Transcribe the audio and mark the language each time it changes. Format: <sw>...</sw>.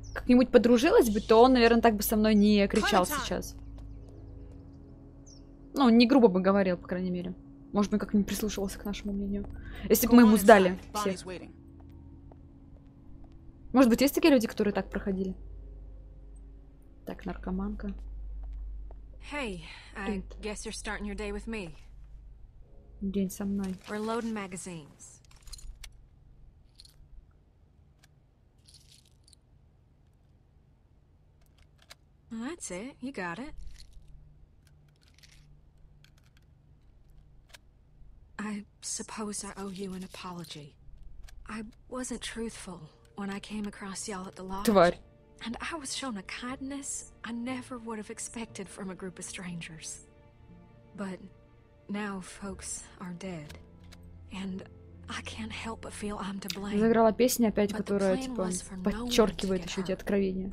<ru>Как-нибудь подружилась бы, то он, наверное, так бы со мной не кричал сейчас. Ну, не грубо бы говорил, по крайней мере. Может, бы как-нибудь прислушивался к нашему мнению. Если бы мы ему сдали все. Может быть, есть такие люди, которые так проходили? Так, наркоманка.</ru> <en>Hey, I guess you're starting your day with me.</en> <ru>День со мной.</ru> <en>We're loading magazines. Well, that's it. You got it. I suppose I owe you an apology. I wasn't truthful. When I came across y'all at the lodge, and I was shown a kindness I never would have expected from a group of strangers. But now folks are dead, and I can't help but feel I'm to blame.</en> <ru>Заиграла песня опять, которая типа подчеркивает еще эти откровения.</ru>